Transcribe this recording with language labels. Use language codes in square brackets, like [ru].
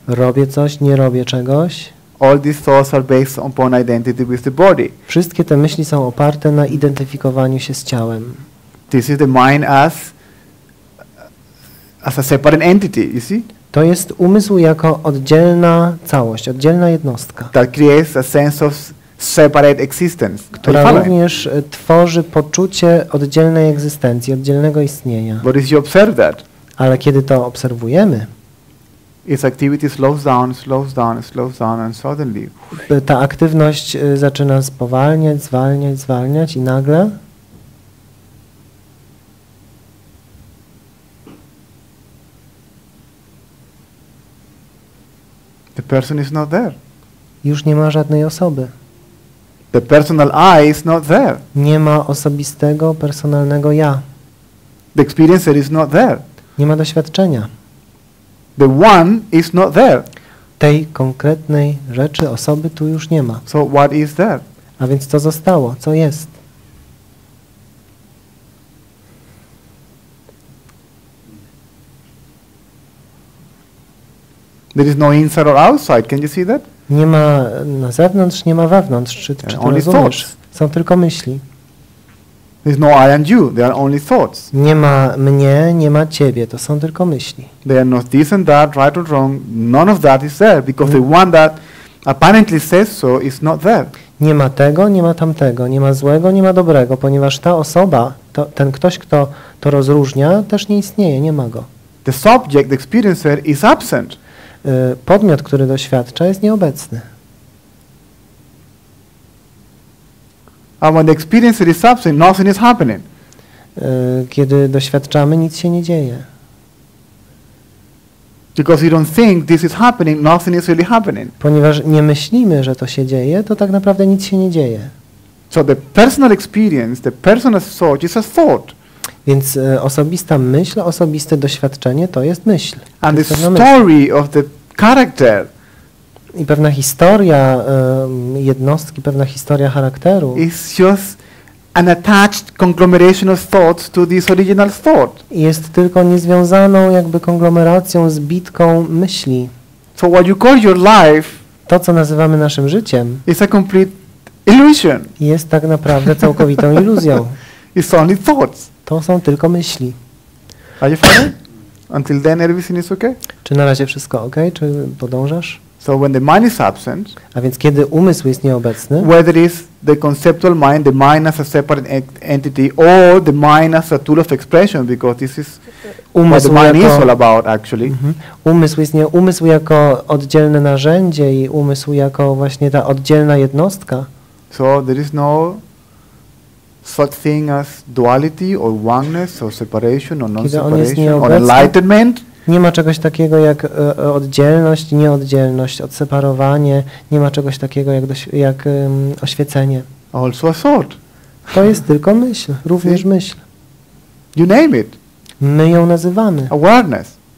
[pl] Robię coś, nie robię czegoś. [en] All these thoughts are based upon identity with the body. [pl] Wszystkie te myśli są oparte na identyfikowaniu się z ciałem. [en] This is the mind as a separate entity, you see? [pl] To jest umysł jako oddzielna całość, oddzielna jednostka. [en] That creates a sense of separate existence. [pl] Która również tworzy poczucie oddzielnej egzystencji, oddzielnego istnienia. [en] But if you observe that, [pl] ale kiedy to obserwujemy, [en] its activity slows down, and suddenly, [pl] ta aktywność zaczyna spowalniać, zwalniać i nagle [en] the person is not there. [pl] Już nie ma żadnej osoby. [en] The personal I is not there. [pl] Nie ma osobistego, personalnego ja. [en] The experiencer is not there. [pl] Nie ma doświadczenia. [en] The one is not there. [pl] Tej konkretnej rzeczy, osoby tu już nie ma. [en] So what is there? [pl] A więc co zostało? Co jest? [en] There is no inside or outside. Can you see that? [pl] Nie ma na zewnątrz, nie ma wewnątrz. Czy to rozumiesz? [en] Thoughts. [pl] Są tylko myśli. [en] There is no I and you. They are only thoughts. [pl] Nie ma mnie, nie ma ciebie. To są tylko myśli. [en] They are not this and that, right or wrong. None of that is there because the one that apparently says so is not there. [pl] Nie ma tego, nie ma tamtego, nie ma złego, nie ma dobrego, ponieważ ta osoba, ten ktoś, kto to rozróżnia, też nie istnieje, nie ma go. [en] The subject, the experiencer, is absent. [pl] Podmiot, który doświadcza, jest nieobecny. [en] And when the experience is absent, nothing is happening. [pl] Kiedy doświadczamy, nic się nie dzieje. [en] Because you don't think this is happening, nothing is really happening. [pl] Ponieważ nie myślimy, że to się dzieje, to tak naprawdę nic się nie dzieje. [en] So the personal experience, the personal thought is a thought. [pl] Więc osobista myśl, osobiste doświadczenie to jest myśl. [en] And the story of the character. [pl] I pewna historia jednostki, pewna historia charakteru. [en] It's just an attached conglomeration of thoughts to this original thought. [pl] Jest tylko niezwiązaną jakby konglomeracją, zbitką myśli. [en] So what you call your life, [pl] to co nazywamy naszym życiem, [en] is a complete illusion. [pl] Jest tak naprawdę całkowitą iluzją. [en] It's only thoughts. [pl] To są tylko myśli. [en] Are you fine? Until then everything is okay? [pl] Czy na razie wszystko ok? Czy podążasz? [en] So when the mind is absent, [pl] a więc kiedy umysł jest nieobecny, [en] whether it is the conceptual mind, the mind as a separate entity, or the mind as a tool of expression, because this is [pl] umysł [en] what the mind [pl] jako, [en] is all about, actually. [pl] Umysł jest nie, umysł jako oddzielne narzędzie i umysł jako właśnie ta oddzielna jednostka. [en] So there is no such thing as duality or oneness or separation or non-separation or enlightenment. [pl] Nie ma czegoś takiego jak oddzielność, nieoddzielność, odseparowanie. Nie ma czegoś takiego jak oświecenie. [en] Also a thought. [pl] To jest tylko myśl, również myśl. [en] You name it. [pl] My ją nazywamy. [en] Awareness.